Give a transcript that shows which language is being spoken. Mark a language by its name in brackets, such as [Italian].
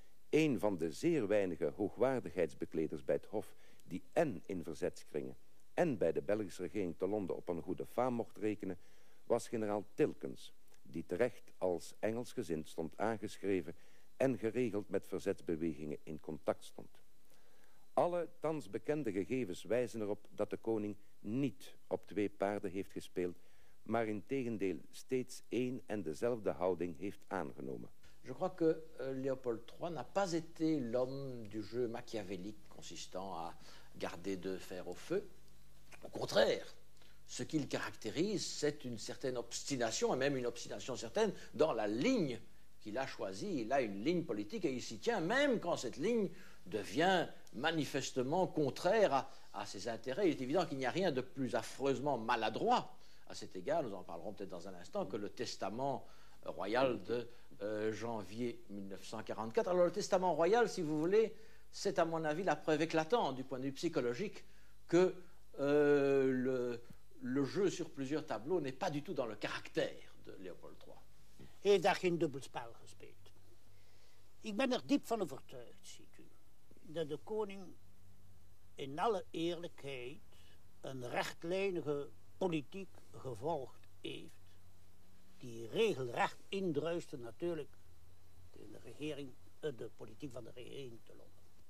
[Dutch] Een van de zeer weinige hoogwaardigheidsbekleders bij het Hof die én in verzetskringen én bij de Belgische regering te Londen op een goede faam mocht rekenen, was generaal Tilkens, die terecht als Engelsgezind stond aangeschreven én geregeld met verzetsbewegingen in contact stond. Alle thans bekende gegevens wijzen erop dat de koning niet op twee paarden heeft gespeeld, maar integendeel steeds één en dezelfde houding heeft aangenomen. [French] Je crois que Léopold III n'a pas été l'homme du jeu machiavélique consistant à garder de fer au feu. Au contraire, ce qu'il caractérise, c'est une certaine obstination, et même une obstination certaine, dans la ligne qu'il a choisie. Il a une ligne politique et il s'y tient, même quand cette ligne devient manifestement contraire à ses intérêts. Il est évident qu'il n'y a rien de plus affreusement maladroit à cet égard, nous en parlerons peut-être dans un instant, que le testament royal de janvier 1944. Alors le testament royal, si vous voulez, c'est à mon avis la preuve éclatante du point de vue psychologique que le jeu sur plusieurs tableaux n'est pas du tout dans le caractère de Léopold III. [Dutch] Et d'un double spel gespeeld. Ik ben er diep van overtuigd, ziet u, dat de koning in alle eerlijkheid een rechtlijnige politiek gevolgd heeft, die regelrecht indruiste natuurlijk in de regering, de politiek van de regering te lopen.